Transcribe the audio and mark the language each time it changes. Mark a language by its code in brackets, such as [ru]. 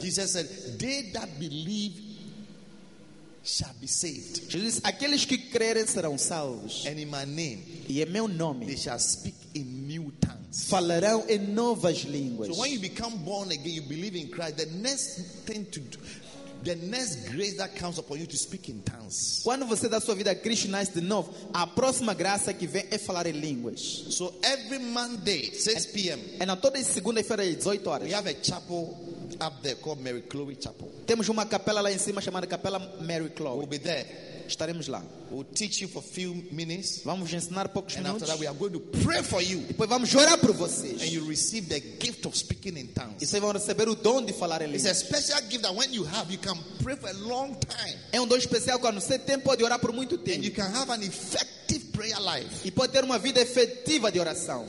[en] Jesus said, they that believe shall be saved. [pt] Jesus, aqueles que crerem serão salvos. [en] And in my name, [pt] e em meu nome, [en] they shall speak in new tongues. [pt] Falarão em novas línguas. [en] So when you become born again, you believe in Christ. The next thing to do, the next grace that comes upon you to speak in tongues. [pt] Quando você dá sua vida a Cristo, nasce de novo. A próxima graça que vem é falar em línguas. [en] So every Monday, 6 p.m. And on [pt] toda segunda-feira, 18 horas. [en] We have a chapel up there called Mary Chloe Chapel. [pt] Temos uma capela lá em cima chamada Capela Mary Chloe. [en] We'll be there. [pt] Estaremos lá. [en] We'll teach you for a few minutes. [pt] Vamos ensinar poucos [en] and [pt] minutos. [en] After that, we are going to pray for you. [pt] Depois vamos orar por vocês. [en] And you receive the gift of speaking in tongues. [pt] E vocês vão receber o dom de falar em línguas. [en] It's a special gift that when you have, you can pray for a long time. [pt] É dom especial quando você tem, pode orar por muito tempo. [en] And you can have an effective prayer life. [pt] E pode ter uma vida efetiva de oração.